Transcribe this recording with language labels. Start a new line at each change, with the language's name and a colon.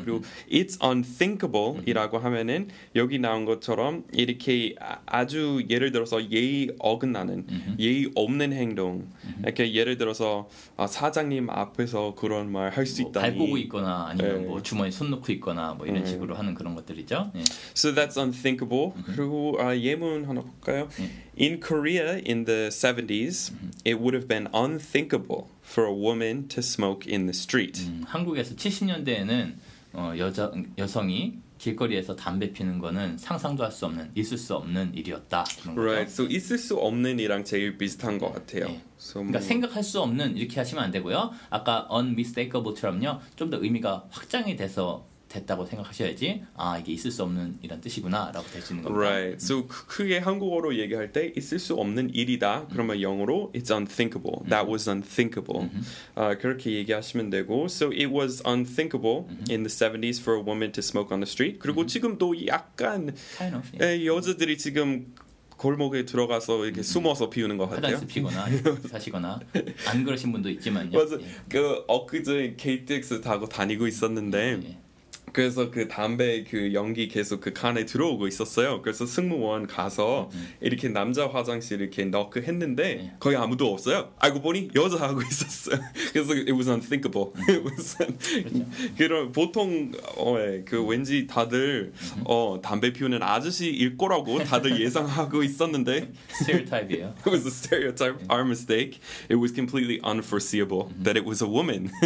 Korean: 그리고
English: it's unthinkable
Korean: 이라고 하면은 여기 나온 것처럼 이렇게 아주 예를 들어서 예의 어긋나는 예의 없는 행동 이렇게 예를 들어서 사장님 앞에서 그런 말 할 수 뭐 있다니 발 보고 있거나 아니면 네. 뭐 주머니에 손 놓고 있거나 뭐 이런 식으로 하는 그런 것들이죠. 네.
English: So that's unthinkable.
Korean: 그리고 예문 하나 볼까요?
English: 네. In Korea in the 70s, mm-hmm. it would have been unthinkable for a woman to smoke in the street.
Korean: 한국에서 70년대에는 여성이 길거리에서 담배 피는 거는 상상도 할 수 없는, 있을 수 없는 일이었다. 그런 거죠? Right. So 있을 수 없는 이랑 제일 비슷한 것 같아요. 네. So 그러니까 뭐... 생각할 수 없는 이렇게 하시면 안 되고요. 아까 unmistakable처럼요. 좀 더 의미가 확장이 돼서 됐다고 생각하셔야지 아 이게 있을 수 없는 이런 뜻이구나라고 될 수 있는 겁니다.
English: Right.
Korean: So 크게 한국어로 얘기할 때 있을 수 없는 일이다. 그러면 영어로
English: it's unthinkable. That was unthinkable.
Korean: 그렇게 얘기하시면 되고
English: so it was unthinkable in the 70s for a woman to smoke on the street.
Korean: 그리고 지금도 약간
English: kind of, yeah.
Korean: 여자들이 지금 골목에 들어가서 이렇게 숨어서 피우는 것 같아요. 화장실 피거나 사시거나 안 그러신 분도 있지만요. 맞아. 예. 그 엊그제 KTX 타고 다니고 있었는데 그래서 그 담배 그 연기 계속 그 칸에 들어오고 있었어요. 그래서 승무원 가서 이렇게 남자 화장실 이렇게 넣고 했는데 거의 아무도 없어요. 알고 보니 여자 하고 있었어요.
English: 그래서 it was unthinkable.
Korean: It was 그런 보통 그 왠지 다들 담배 피우는 아저씨일 거라고 다들 예상하고 있었는데 stereotype이에요.
English: It was a stereotype. Our mistake. It was completely unforeseeable that it was a woman.